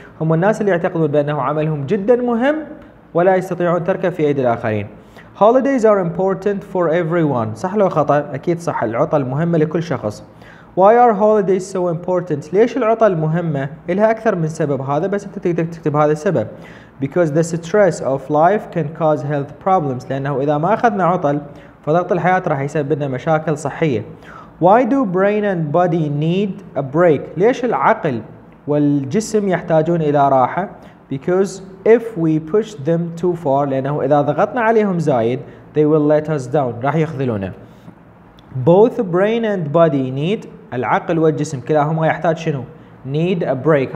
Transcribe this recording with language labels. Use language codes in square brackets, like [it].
[ar] هم الناس اللي يعتقدون بأنه عملهم جدا مهم ولا يستطيعون تركه في أيدي الآخرين. [en] Holidays are important for everyone. [ar] صح لو خطأ؟ أكيد صح، العطل مهمة لكل شخص. [en] Why are holidays so important؟ [ar] ليش العطل مهمة؟ إلها أكثر من سبب هذا، بس أنت تقدر تكتب هذا السبب. [en] Because the stress of life can cause health problems. [ar] لأنه إذا ما أخذنا عطل فضغط الحياة راح يسبب لنا مشاكل صحية. [en] Why do brain and body need a break? [ar] ليش العقل والجسم يحتاجون إلى راحة؟ [en] Because if we push them too far، [ar] لأنه إذا ضغطنا عليهم زايد [en] they will let us down، [ar] راح يخذلونا. [en] Both brain and body need، [ar] العقل والجسم كلاهما يحتاج شنو؟ [en] Need a break.